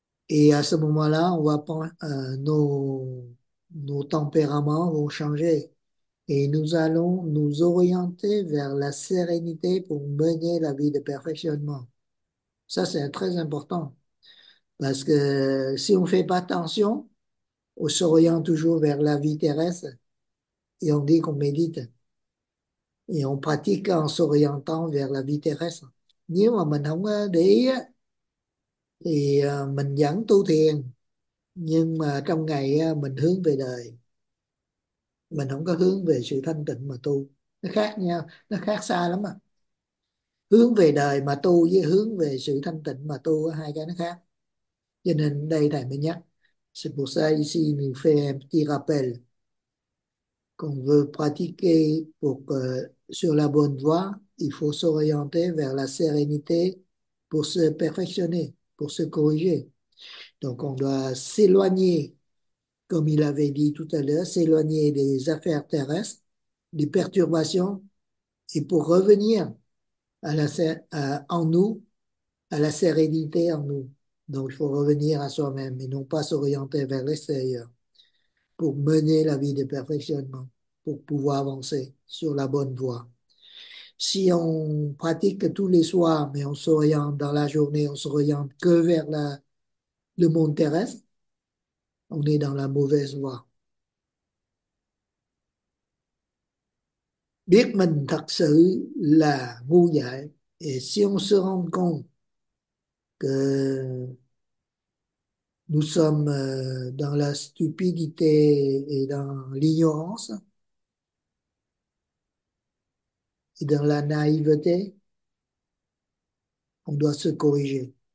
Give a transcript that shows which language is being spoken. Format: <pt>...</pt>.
<fr>Et à ce moment-là, nos tempéraments vont changer et nous allons nous orienter vers la sérénité pour mener la vie de perfectionnement. Ça, c'est très important parce que si on ne fait pas attention, on s'oriente toujours vers la vie terrestre et on dit qu'on médite et on pratique en s'orientant vers la vie terrestre.</fr> <vi>Nếu mà mình không để ý thì mình vẫn tu thiền nhưng mà trong ngày mình hướng về đời, mình không có hướng về sự thanh tịnh mà tu, nó khác nhau, nó khác xa lắm à. Hướng về đời mà tu với hướng về sự thanh tịnh mà tu, hai cái nó khác. Cho nên đây thầy mới nhắc,</vi> <fr>c'est pour ça ici nous fait un petit rappel, qu'on veut pratiquer pour sur la bonne voie, il faut s'orienter vers la sérénité pour se perfectionner, pour se corriger. Donc on doit s'éloigner, comme il avait dit tout à l'heure, s'éloigner des affaires terrestres, des perturbations, et pour revenir en nous, à la sérénité en nous. Donc il faut revenir à soi-même et non pas s'orienter vers l'extérieur pour mener la vie de perfectionnement, pour pouvoir avancer sur la bonne voie. Si on pratique tous les soirs, mais on s'oriente dans la journée, on s'oriente que vers le monde terrestre, on est dans la mauvaise voie.</fr> <vi>Biết mình thật sự là ngu dại.</vi> <fr>Et si on se rend compte que nous sommes dans la stupidité et dans l'ignorance et dans la naïveté, on doit se corriger.</fr>